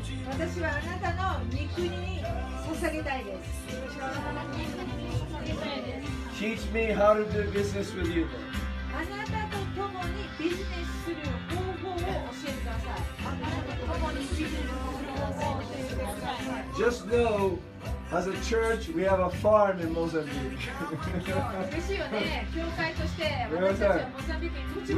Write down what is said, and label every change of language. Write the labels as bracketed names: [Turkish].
[Japanese] 私はあなたの御国に捧げたいです。 [English] Teach me how to do business with you. [Japanese] あなたと共にビジネスする方法を教えてください。あなたと共にビジネスする方法を教えてください。 [English] Just know, as a church, we have a farm in Mozambique. [Japanese] 嬉しいよね。教会として私たちはモザンビークに土地を持っているんですよ。